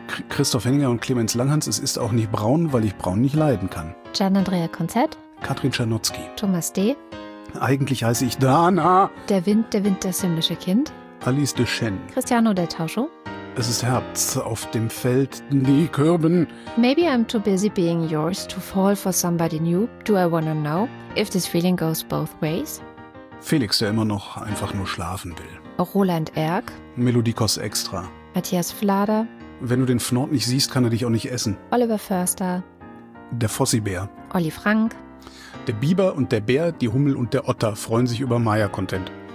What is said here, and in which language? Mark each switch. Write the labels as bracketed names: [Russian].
[German] Christoph Henninger und Clemens Langens, es ist auch nicht braun, weil ich braun nicht leiden kann. Gian-Andrea Konzett. Katrin Czernotzki. Thomas D. Eigentlich heiße ich Dana. Der Wind, das himmlische Kind. Alice de Chen. Cristiano del Tauscho. Es ist Herbst, auf dem Feld die Kürben. [English] Maybe I'm too busy being yours to fall for somebody new. Do I wanna know if this feeling goes both ways? [German] Felix, der immer noch einfach nur schlafen will. Roland Erk. Melodikos Extra. Matthias Flader. Wenn du den Fnord nicht siehst, kann er dich auch nicht essen. Oliver Förster. Der Fossibär. Olli Frank. Der Biber und der Bär, die Hummel und der Otter freuen sich über Maya-Content.